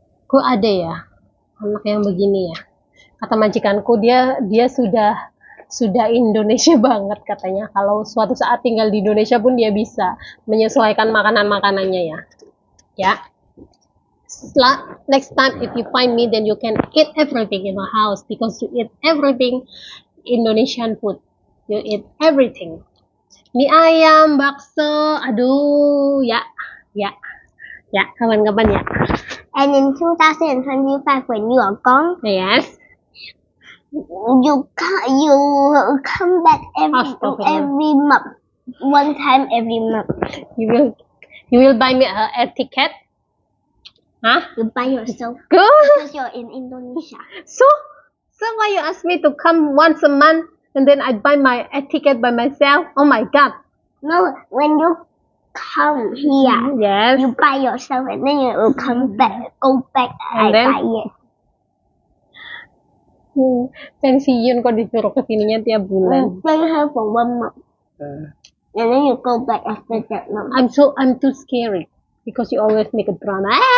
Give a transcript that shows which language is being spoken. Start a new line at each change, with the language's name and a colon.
Indonesian: Kok ada ya anak yang begini ya? Kata majikanku dia sudah Indonesia banget katanya. Kalau suatu saat tinggal di Indonesia pun dia bisa menyesuaikan makanan-makanannya ya. Ya.
English: Next time if you find me, then you can eat everything in my house because you eat everything Indonesian food. You eat everything.
Indonesian: Mie ayam, bakso, aduh, ya, kapan-kapan ya.
English: And in 2025 when you are gone. Yes. You come back every month, one time every month. You will buy me a ticket. Huh? You buy yourself. Good. Because you're in Indonesia. So why you ask me to come once a month and then I buy my ticket by myself? Oh my god. No, when you come here, yes. You buy yourself and then you will come back, go back and I then? Buy it.
Indonesian: Pensiun kok disuruh kesininya tiap bulan.
English: Stay here for 1 month. And then you go back after that month. I'm too scary because you always make a drama.